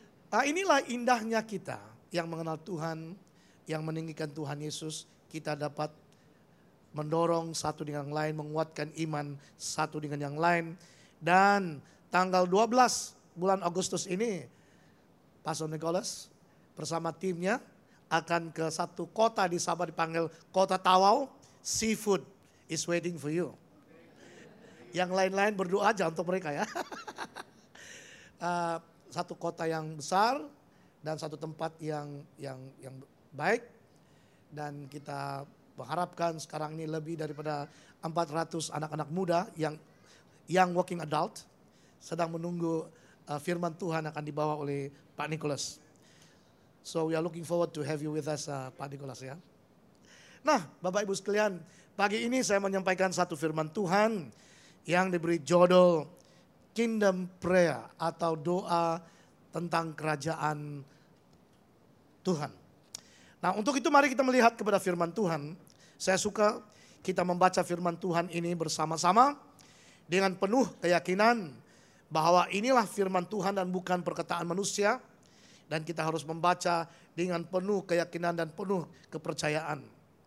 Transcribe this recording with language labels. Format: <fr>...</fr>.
<id>Nah, inilah indahnya kita yang mengenal Tuhan, yang meninggikan Tuhan Yesus, kita dapat mendorong satu dengan yang lain, menguatkan iman satu dengan yang lain. Dan tanggal 12 bulan Agustus ini, Pastor Nicholas bersama timnya akan ke satu kota di Sabah dipanggil Kota Tawau.</id> <en>Seafood is waiting for you.</en> <id>Yang lain-lain berdoa aja untuk mereka ya. Satu kota yang besar dan satu tempat yang baik, dan kita mengharapkan sekarang ini lebih daripada 400 anak-anak muda yang</id> <en>working adult</en> <id>sedang menunggu firman Tuhan akan dibawa oleh Pak Nicholas.</id> <en>So we are looking forward to have you with us, Pak Nicholas ya.</en> <id>Nah, Bapak Ibu sekalian, pagi ini saya menyampaikan satu firman Tuhan yang diberi judul Kingdom Prayer atau doa tentang kerajaan Tuhan. Nah, untuk itu mari kita melihat kepada firman Tuhan. Saya suka kita membaca firman Tuhan ini bersama-sama dengan penuh keyakinan bahwa inilah firman Tuhan dan bukan perkataan manusia, dan kita harus membaca dengan penuh keyakinan dan penuh kepercayaan.</id>